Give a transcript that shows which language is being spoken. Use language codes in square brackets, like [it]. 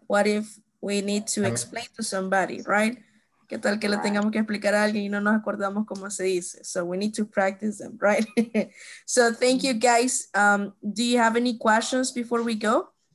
[en] What if we need to explain to somebody, right? [es] ¿Qué tal que le tengamos que explicar a alguien y no nos acordamos cómo se dice? [en] So we need to practice them, right? So thank you, guys. Do you have any questions before we go?